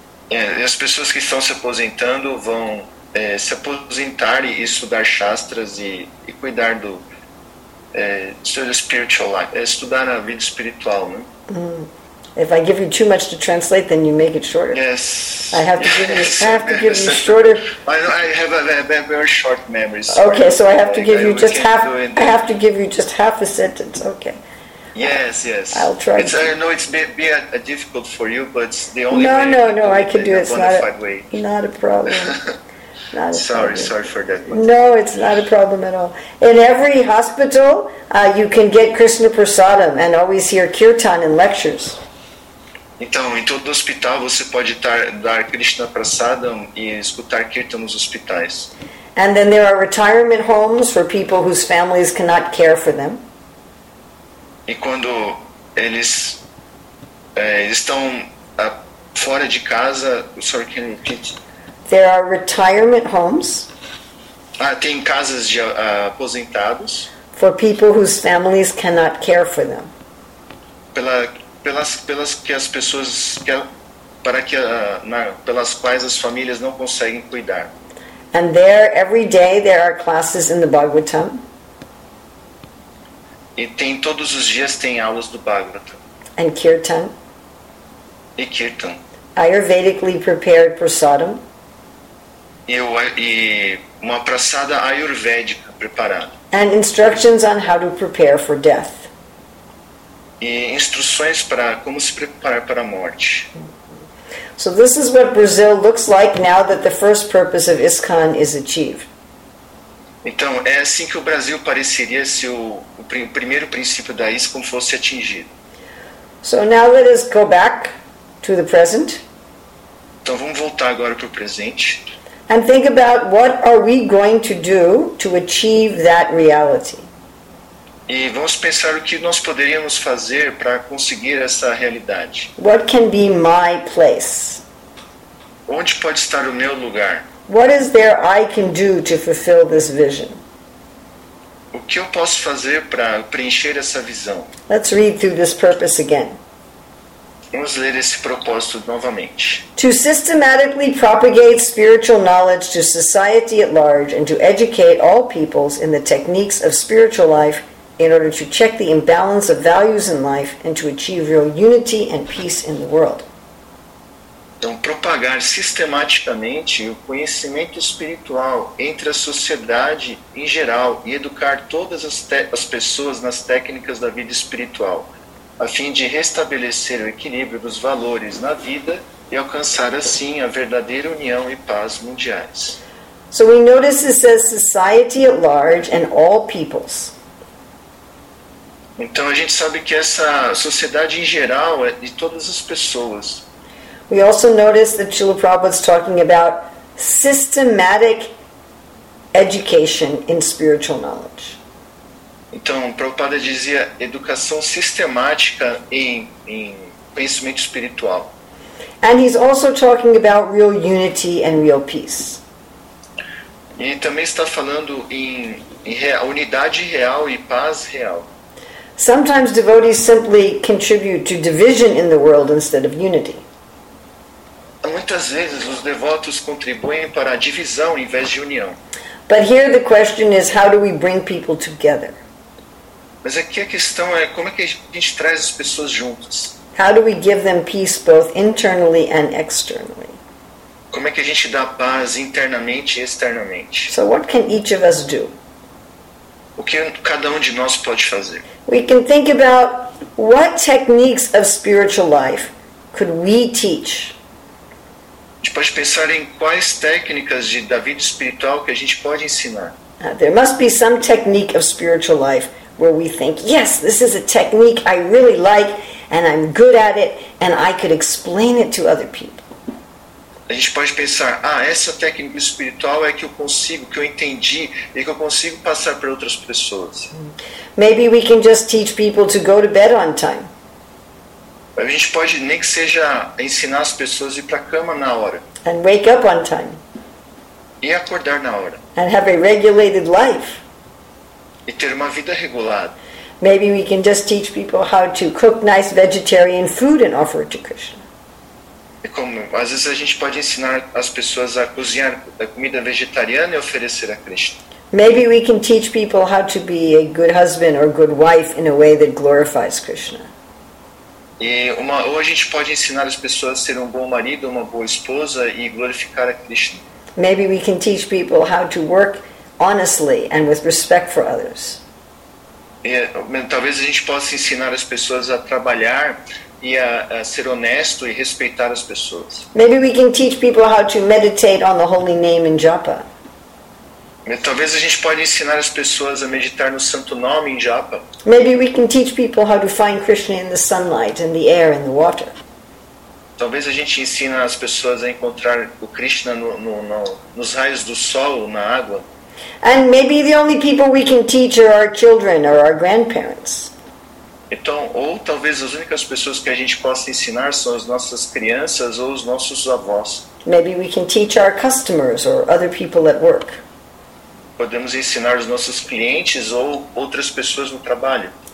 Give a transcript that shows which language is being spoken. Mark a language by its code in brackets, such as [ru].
[pt] E as pessoas que estão se aposentando vão se aposentar e estudar shastras e cuidar do seu [en] spiritual life, [pt] estudar a vida espiritual, né? [en] If I give you too much to translate, then you make it shorter. Yes. I have to give you, I have to give you shorter. I have a very short memory. Sorry. Okay, so I have to give you just half. I have to give you just half a sentence. Okay. Yes, yes. I'll try. I know it's be a difficult for you, but it's the only. No, way no, no. I can do it. It's not a way. Not a problem. Not a sorry, problem. Sorry for that. No, it's not a problem at all. In every hospital, you can get Krishna Prasadam and always hear kirtan and lectures. [pt] Então, em todo hospital você pode dar Krishna Prasadam e escutar kirtan nos hospitais. [en] And then there are retirement homes for people whose families cannot care for them. [pt] E quando eles estão fora de casa, [en] sorry, can you repeat? There are retirement homes. [pt] Tem casas de aposentados. [en] For people whose families cannot care for them. [pt] Pelas que as pessoas que para que pelas quais as famílias não conseguem cuidar. [en] And there, every day, there are classes in the Bhagavatam. [pt] E tem todos os dias tem aulas do Bhagavatam. [en] And kirtan. [pt] E kirtan. [en] Ayurvedically prepared prasadam. [pt] E uma prasada ayurvédica preparada. [en] And instructions on how to prepare for death. [pt] E instruções para como se preparar para a morte. [en] So this is what Brazil looks like now that the first purpose of ISKCON is achieved. [pt] Então, é assim que o Brasil pareceria se o primeiro princípio da ISKCON fosse atingido. [en] So now let us go back to the present. [pt] Então vamos voltar agora para o presente. [en] And think about what are we going to do to achieve that reality. [pt] E vamos pensar o que nós poderíamos fazer para conseguir essa realidade. [en] What can be my place? [pt] Onde pode estar o meu lugar? [en] What is there I can do to fulfill this vision? [pt] O que eu posso fazer para preencher essa visão? [en] Let's read through this purpose again. [pt] Vamos ler esse propósito novamente. [en] To systematically propagate spiritual knowledge to society at large and to educate all peoples in the techniques of spiritual life in order to check the imbalance of values in life and to achieve real unity and peace in the world. [pt] Então, propagar sistematicamente o conhecimento espiritual entre a sociedade em geral e educar todas as pessoas nas técnicas da vida espiritual, a fim de restabelecer o equilíbrio dos valores na vida e alcançar, assim, a verdadeira união e paz mundiais. [en] So we notice it says society at large and all peoples. [pt] Então, a gente sabe que essa sociedade em geral é de todas as pessoas. [en] We also notice that Srila Prabhupada is talking about systematic education in spiritual knowledge. [pt] Então, Prabhupada dizia educação sistemática em conhecimento espiritual. [en] And he's also talking about real unity and real peace. [pt] E também está falando em unidade real e paz real. [en] Sometimes devotees simply contribute to division in the world instead of unity. [pt] Muitas vezes os devotos contribuem para a divisão em vez de união. [en] But here the question is, how do we bring people together? [pt] Mas aqui a questão é como é que a gente traz as pessoas juntas? [en] How do we give them peace both internally and externally? [pt] Como é que a gente dá paz internamente e externamente? [en] So what can each of us do? [pt] O que cada de nós pode fazer? [en] We can think about what techniques of spiritual life could we teach? [pt] A gente pode pensar em quais técnicas da vida espiritual que a gente pode ensinar. [en] There must be some technique of spiritual life where we think, yes, this is a technique I really like and I'm good at it and I could explain it to other people. [pt] A gente pode pensar, essa técnica espiritual é que eu consigo, que eu entendi e que eu consigo passar para outras pessoas. [en] Maybe we can just teach people to go to bed on time. [pt] A gente pode nem que seja ensinar as pessoas a ir para a cama na hora. [en] And wake up on time. [pt] E acordar na hora. [en] And have a regulated life. [pt] E ter uma vida regulada. [en] Maybe we can just teach people how to cook nice vegetarian food and offer it to Krishna. [pt] E como, às vezes a gente pode ensinar as pessoas a cozinhar a comida vegetariana e oferecer a Krishna. [en] Maybe we can teach people how to be a good husband or good wife in a way that glorifies Krishna. [pt] Ou a gente pode ensinar as pessoas a ser um bom marido, uma boa esposa e glorificar a Krishna. [en] Maybe we can teach people how to work honestly and with respect for others. [pt] Talvez a gente possa ensinar as pessoas a trabalhar e a ser honesto e respeitar as pessoas. [en] Maybe we can teach people how to meditate on the holy name in japa. [pt] Talvez a gente pode ensinar as pessoas a meditar no santo nome em japa. [en] Maybe we can teach people how to find Krishna in the sunlight and the air and the water. [pt] Talvez a gente ensine as pessoas a encontrar o Krishna nos raios do sol, na água. [en] And maybe the only people we can teach are our children or our grandparents. [pt] Então, ou talvez as únicas pessoas que a gente possa ensinar são as nossas crianças ou os nossos avós. [en] Maybe we can teach our customers or other people at work. [pt] Podemos ensinar os nossos clientes ou outras pessoas no trabalho.